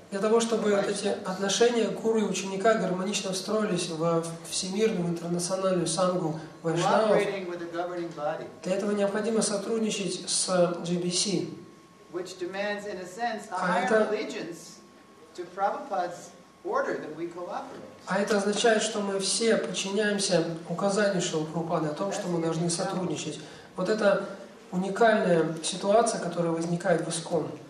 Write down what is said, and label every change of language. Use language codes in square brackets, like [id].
[ru] Для того, чтобы эти отношения гуру и ученика гармонично встроились во всемирную интернациональную сангу вайшнавов, для этого необходимо сотрудничать с GBC. [en] Which demands, in a sense, a higher allegiance to Prabhupada's order that we cooperate. [ru] А это означает, что мы все подчиняемся указанию Шрилы Прабхупады о том, что мы должны сотрудничать. Вот это уникальная ситуация, которая возникает в ИСКОН.